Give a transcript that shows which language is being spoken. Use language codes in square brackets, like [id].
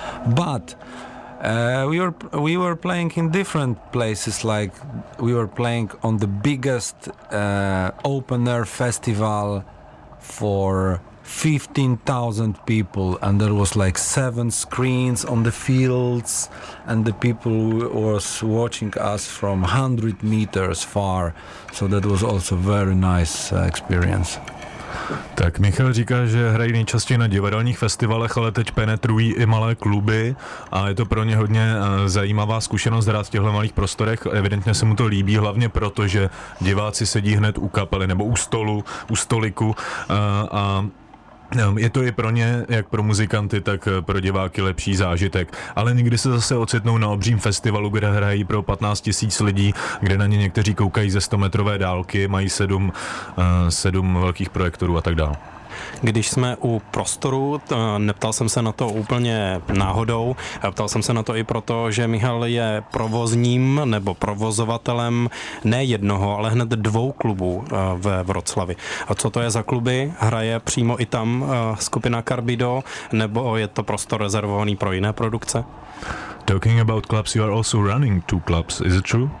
[en] But we were playing in different places, like we were playing on the biggest open air festival for 15,000 people, and there was like 7 screens on the fields, and the people was watching us from 100 meters far, so that was also very nice experience. [cs] Tak Michal říká, že hrají nejčastěji na divadelních festivalech, ale teď penetrují i malé kluby a je to pro ně hodně zajímavá zkušenost hrát v těchto malých prostorech. Evidentně se mu to líbí, hlavně proto, že diváci sedí hned u kapely nebo u stolu, u stoliku a je to i pro ně, jak pro muzikanty, tak pro diváky lepší zážitek. Ale někdy se zase ocitnou na obřím festivalu, kde hrají pro 15 000 lidí, kde na ně někteří koukají ze 100-metrové dálky, mají 7 velkých projektorů a tak dále. Když jsme u prostoru, neptal jsem se na to úplně náhodou, ptal jsem se na to i proto, že Michal je provozním nebo provozovatelem ne jednoho, ale hned 2 klubů ve Wroclawi. A co to je za kluby? Hraje přímo i tam skupina Carbido, nebo je to prostor rezervovaný pro jiné produkce? [en] Talking about clubs, you are also running 2 clubs, is it true?